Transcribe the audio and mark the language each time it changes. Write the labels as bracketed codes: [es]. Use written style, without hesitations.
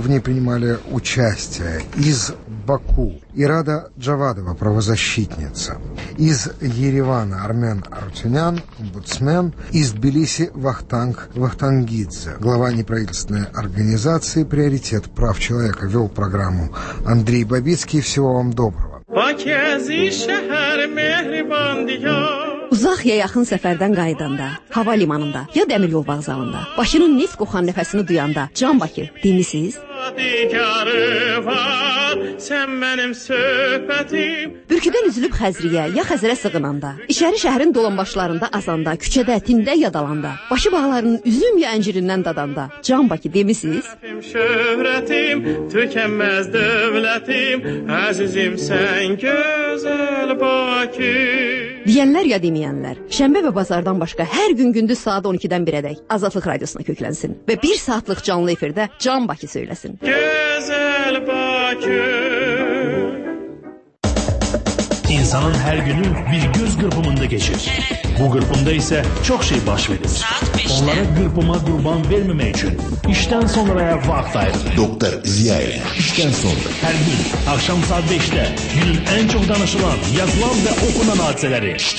[ru] В ней принимали участие из Баку Ирада Джавадова, правозащитница, из Еревана Армен Арутюнян, омбудсмен, из Тбилиси Вахтанг Вахтангидзе, глава неправительственной организации «Приоритет прав человека», вел программу Андрей Бабицкий. Всего вам доброго. [az] Uzaq ya yaxın səfərdən qayıdanda, hava limanında, ya dəmir yol vağzalında, Bakının neft qoxan nəfəsini duyanda, Can Bakı, deyimisiniz? Bürküdən üzülüb Xəzriyə, ya Xəzərə sığınanda, İçəri şəhərin dolanbaşlarında azanda, küçədə, tində ya dalanda, Başı bağlarının üzüm ya əncirindən dadanda, Can Bakı, deyimisiniz? Şöhrətim, tükənməz dövlətim, əzizim sən gözəl Bakı. Deyənlər ya deməyənlər, şənbə və bazardan başqa hər gün gündüz saat 12-dən bir ədək Azadlıq Radiosuna köklənsin və bir saatlıq canlı efirdə Can Bakı söyləsin. Gözəl Bakı. İnsanın hər günü bir göz qırpımında geçir. Bu qırpımda isə çox şey baş verir. Onlara qırpıma qurban verməmək üçün işdən sonraya vaxt ayırır. Doktor Ziya ilə işdən sonra. Hər gün axşam saat 5-də günün ən çox danışılan, yazılan və oxunan hadisələri.